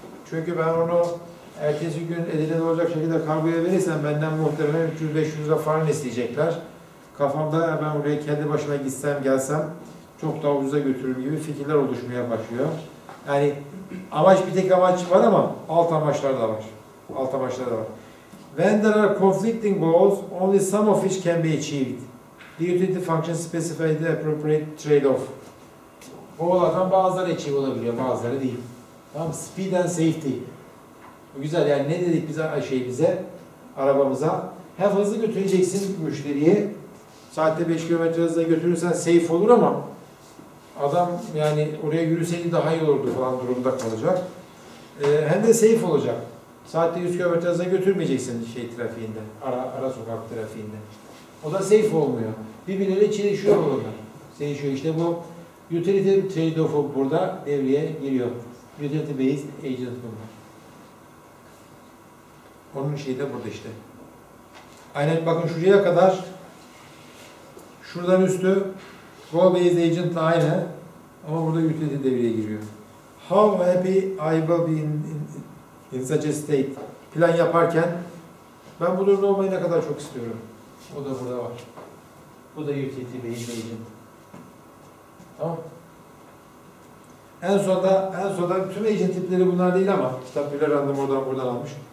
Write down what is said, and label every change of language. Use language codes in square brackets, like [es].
[tr] Çünkü ben onu ertesi gün Edirne'de olacak şekilde kargoya verirsem benden muhtemelen 300-500 falan isteyecekler. Kafamda ben oraya kendi başıma gitsem gelsem çok daha ucuza götürürüm gibi fikirler oluşmaya başlıyor. Yani amaç bir tek amaç var ama alt amaçlar da var. Alt amaçlar da var. [en] When there are conflicting goals, only some of which can be achieved. The utility function specifies the appropriate trade-off. [tr] Goal'lardan bazıları achieve olabiliyor, bazıları değil. Tamam, [en] speed and safety. [tr] Güzel, yani ne dedik bize şeyimize, arabamıza? Hem hızlı götüreceksin müşteriyi, saatte 5 km hızla götürürsen safe olur ama adam yani oraya yürüseydi daha iyi olurdu falan durumda kalacak. Hem de safe olacak. Saatte 100 km hızla götürmeyeceksin şey trafiğinde, ara sokak trafiğinde. O da safe olmuyor. Birbirleriyle çelişiyor bunlar. Çelişiyor işte bu. Utility trade-off'u burada devreye giriyor. Utility based agent bunlar. Onun şeyi de burada işte. Aynen bakın şuraya kadar. Şuradan üstü goal based agent de aynı. Ama burada utility devreye giriyor. [en] How happy I will be in such a state. [tr] Plan yaparken ben bu durumda olmayı ne kadar çok istiyorum. O da burada var. Bu da utility based agent. Tamam. En sonda tüm agent tipleri bunlar değil ama kitap bir random oradan almış.